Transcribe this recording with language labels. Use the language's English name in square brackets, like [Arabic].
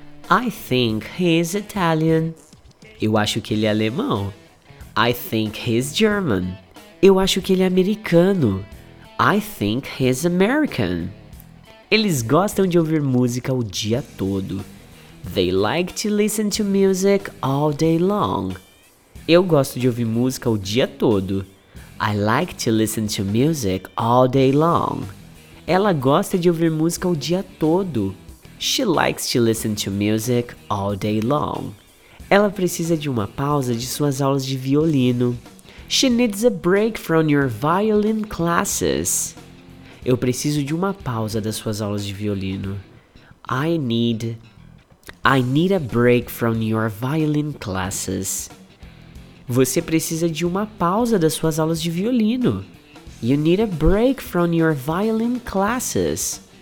[English] I think he is Italian. [Portuguese] Eu acho que ele é alemão. [English] I think he is German. [Portuguese] Eu acho que ele é americano. [English] I think he is American. [Portuguese] Eles gostam de ouvir música o dia todo. [English] They like to listen to music all day long. [Portuguese] Eu gosto de ouvir música o dia todo. [English] I like to listen to music all day long. [Portuguese] Ela gosta de ouvir música o dia todo. [English] She likes to listen to music all day long. [Portuguese] Ela precisa de uma pausa de suas aulas de violino. [English] She needs a break from your violin classes. [Portuguese] Eu preciso de uma pausa das suas aulas de violino. [English] I need a break from your violin classes. [Portuguese] Você precisa de uma pausa das suas aulas de violino. [English] You need a break from your violin classes.